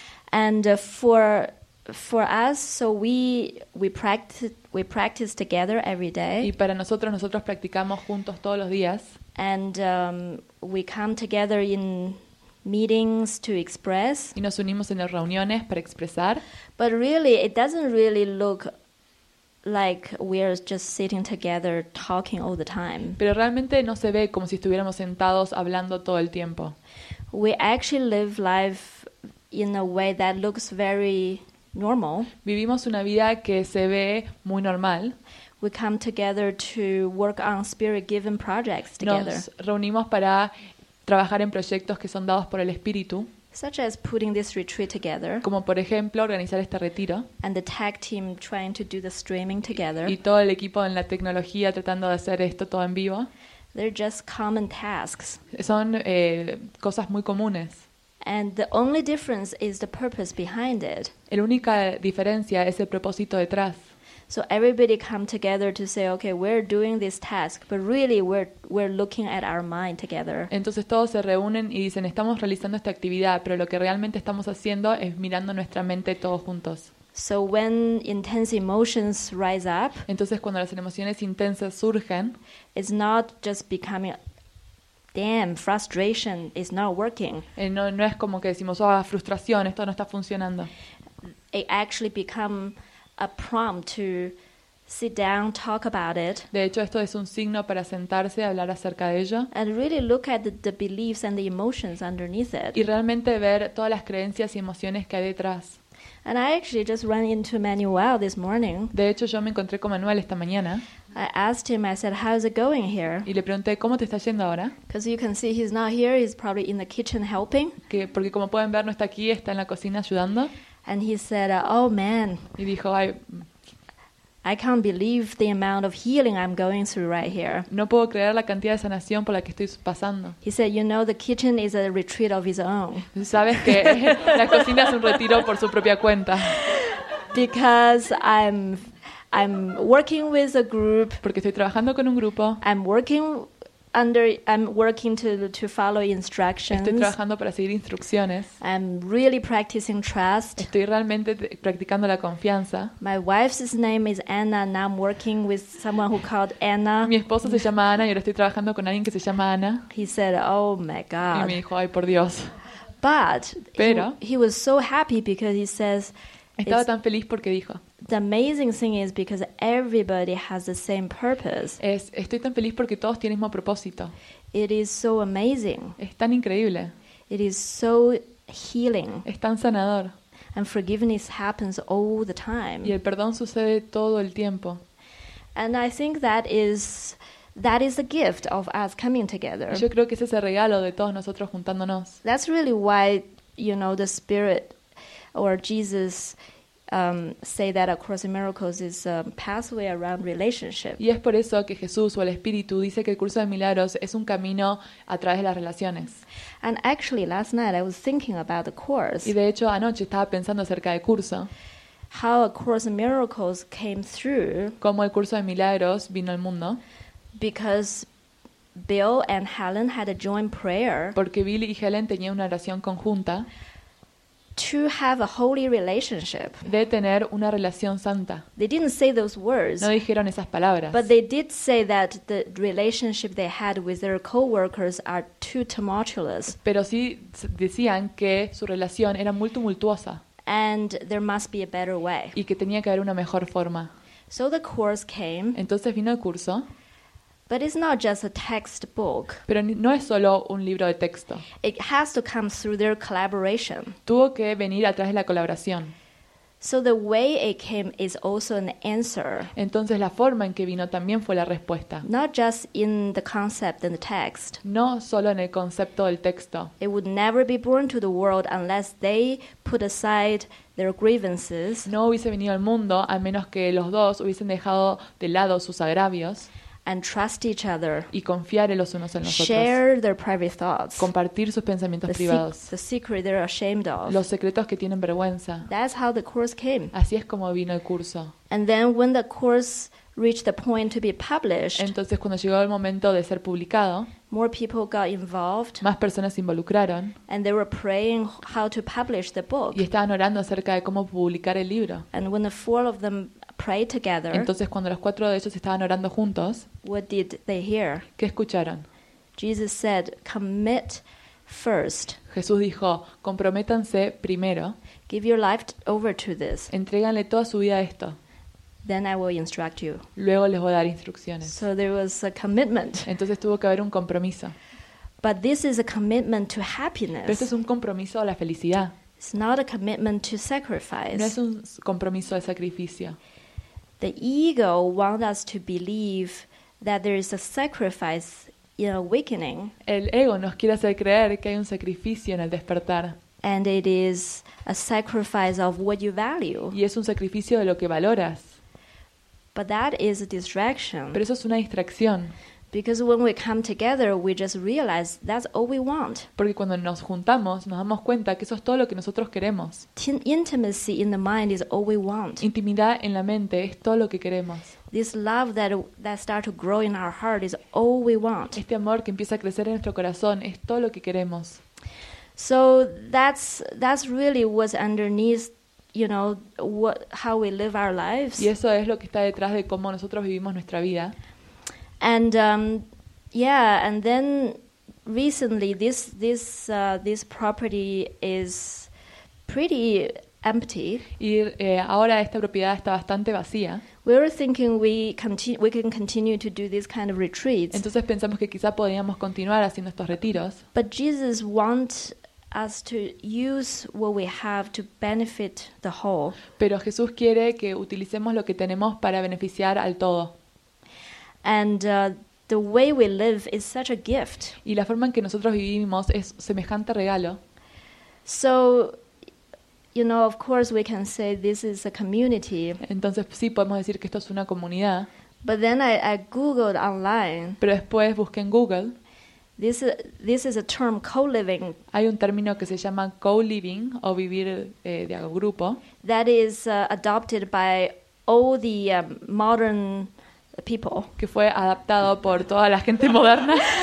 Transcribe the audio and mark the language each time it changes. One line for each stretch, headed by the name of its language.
English: And for us, so we practice together every day.
Spanish: Y para nosotros practicamos juntos todos los días.
English: And we come together in meetings to express.
Spanish: Y nos unimos en las reuniones para expresar.
English: But really, it doesn't really look like we're just sitting together talking all the time.
Spanish: Pero realmente no se ve como si estuviéramos sentados hablando todo el tiempo.
English: We actually live life in a way that looks very normal.
Spanish: Vivimos una vida que se ve muy normal.
English: We come together to work on spirit-given projects together.
Spanish: Nos reunimos para trabajar en proyectos que son dados por el espíritu.
English: Such as putting this retreat together.
Spanish: Como por ejemplo organizar este retiro.
English: And the tech team trying to do the streaming together.
Spanish: Y todo el equipo en la tecnología tratando de hacer esto todo en vivo.
English: They're just common tasks.
Spanish: Son cosas muy comunes.
English: And the only difference is the purpose behind it.
Spanish: La única diferencia es el propósito detrás.
English: So everybody come together to say, okay, we're doing this task, but really we're looking at our mind together.
Spanish: Entonces todos se reúnen y dicen, estamos realizando esta actividad, pero lo que realmente estamos haciendo es mirando nuestra mente todos juntos.
English: So when intense emotions rise up,
Spanish: entonces cuando las emociones intensas surgen,
English: it's not just becoming, damn, frustration is not working.
Spanish: No es como que decimos, oh, frustración, esto no está funcionando.
English: It actually become a prompt to sit down, talk about it.
Spanish: De hecho, esto es un signo para sentarse y hablar acerca de ello.
English: And really look at the beliefs and the emotions underneath it.
Spanish: Y realmente ver todas las creencias y emociones que hay detrás.
English: And I actually just ran into Manuel this morning.
Spanish: De hecho, yo me encontré con Manuel esta mañana.
English: I asked him, I said, how is it going here?
Spanish: Y le pregunté, ¿cómo te está yendo ahora?
English: Because you can see he's not here, he's probably in the kitchen helping.
Spanish: Que porque como pueden ver, no está aquí, está en la cocina ayudando.
English: And he said, oh man,
Spanish: y dijo,
English: I can't believe the amount of healing I'm going through right here.
Spanish: No puedo creer la cantidad de sanación por la que estoy pasando.
English: He said, you know, the kitchen is a retreat of his own.
Spanish: Sabes que la cocina es un retiro por su propia cuenta.
English: Because I'm working with a group.
Spanish: Porque estoy trabajando con un grupo.
English: I'm working to follow instructions.
Spanish: Estoy trabajando para seguir instrucciones.
English: I'm really practicing trust.
Spanish: Estoy realmente practicando la confianza.
English: My wife's name is Anna, and I'm working with someone who called Anna.
Spanish: Mi esposa se llama Ana y ahora estoy trabajando con alguien que se llama Ana.
English: He said, "Oh my God."
Spanish: Y me dijo, "Ay, por Dios."
English: But
Spanish: pero,
English: he was so happy because he says,
Spanish: estaba tan feliz porque dijo,
English: the amazing thing is because everybody has the same purpose.
Spanish: Estoy tan feliz porque todos tienen el mismo propósito.
English: It is so amazing.
Spanish: Es tan increíble.
English: It is so healing.
Spanish: Es tan sanador.
English: And forgiveness happens all the time.
Spanish: Y el perdón sucede todo el tiempo.
English: And I think that is the gift of us coming together.
Spanish: Yo creo que ese es el regalo de todos nosotros juntándonos.
English: That's really why, you know, the spirit or Jesus say that A Course in Miracles is a pathway around relationship.
Spanish: Y es por eso que Jesús o el Espíritu dice que el curso de milagros es un camino a través de las relaciones.
English: And actually, last night I was thinking about the course.
Spanish: Y de hecho anoche estaba pensando acerca del curso.
English: How A Course in Miracles came through.
Spanish: Cómo el curso de milagros vino al mundo.
English: Because Bill and Helen had a joint prayer.
Spanish: Porque Bill y Helen tenían una oración conjunta.
English: To have a holy relationship.
Spanish: De tener una relación santa.
English: They didn't say those words.
Spanish: No dijeron esas palabras.
English: But they did say that the relationship they had with their co-workers are too tumultuous.
Spanish: Pero sí decían que su relación era muy tumultuosa.
English: And there must be a better way.
Spanish: Y que tenía que haber una mejor forma.
English: So the course came.
Spanish: Entonces vino el curso.
English: But it's not just a textbook.
Spanish: Pero no es solo un libro de texto.
English: It has to come through their collaboration.
Spanish: Tuvo que venir a través de la colaboración.
English: So the way it came is also an answer.
Spanish: Entonces la forma en que vino también fue la respuesta.
English: Not just in the concept and the text.
Spanish: No solo en el concepto del texto.
English: It would never be born to the world unless they put aside their grievances.
Spanish: No hubiese venido al mundo a menos que los dos hubiesen dejado de lado sus agravios.
English: And trust each other.
Spanish: Y confiar en los unos en los otros.
English: Share their private thoughts.
Spanish: Compartir sus pensamientos privados.
English: The secret they're ashamed of.
Spanish: Los secretos que tienen vergüenza.
English: That's how the course came.
Spanish: Así es como vino el curso.
English: And then when the course reached the point to be published.
Spanish: Entonces cuando llegó el momento de ser publicado.
English: More people got involved.
Spanish: Más personas se involucraron.
English: And they were praying how to publish the book.
Spanish: Y estaban orando acerca de cómo publicar el libro.
English: And when the four of them pray together.
Spanish: Entonces cuando los cuatro de ellos estaban orando juntos,
English: what did they hear?
Spanish: ¿Qué escucharon?
English: Jesus said, commit first.
Spanish: Jesús dijo, comprométanse primero.
English: Give your life over to this.
Spanish: Entréganle toda su vida a esto.
English: then I will instruct you.
Spanish: Luego les voy a dar instrucciones.
English: So there was a commitment.
Spanish: Entonces tuvo que haber un compromiso.
English: But this is a commitment to happiness.
Spanish: Pero este es un compromiso a la felicidad.
English: It's not a commitment to sacrifice.
Spanish: No es un compromiso de sacrificio.
English: The ego wants us to believe that there is a sacrifice in awakening.
Spanish: El ego nos quiere hacer creer que hay un sacrificio en el despertar.
English: And it is a sacrifice of what you value.
Spanish: Y es un sacrificio de lo que valoras.
English: But that is a distraction.
Spanish: Pero eso es una distracción.
English: Because when we come together, we just realize that's all we want.
Spanish: Porque cuando nos juntamos, nos damos cuenta que eso es todo lo que nosotros queremos.
English: Intimacy in the mind is all we want.
Spanish: Intimidad en la mente es todo lo que queremos.
English: This love that starts to grow in our heart is all we want.
Spanish: Este amor que empieza a crecer en nuestro corazón es todo lo que queremos.
English: So that's really what's underneath, you know, how we live our lives.
Spanish: Y eso es lo que está detrás de cómo nosotros vivimos nuestra vida.
English: And and then recently this property is pretty empty.
Spanish: Y ahora esta propiedad está bastante vacía.
English: We were thinking we can continue to do this kind of retreats.
Spanish: Entonces pensamos que quizá podríamos continuar haciendo estos retiros.
English: But Jesus wants us to use what we have to benefit the whole.
Spanish: Pero Jesús quiere que utilicemos lo que tenemos para beneficiar al todo.
English: And the way we live is such a gift.
Spanish: Y la forma en que nosotros vivimos es semejante regalo.
English: So, you know, of course we can say this is a community.
Spanish: Entonces sí podemos decir que esto es una comunidad.
English: But then I googled online.
Spanish: Pero después busqué en Google.
English: This is a term, co-living.
Spanish: Hay un término que se llama co-living o vivir de grupo.
English: That is adopted by all the modern people.
Spanish: Que fue adaptado por toda la gente moderna.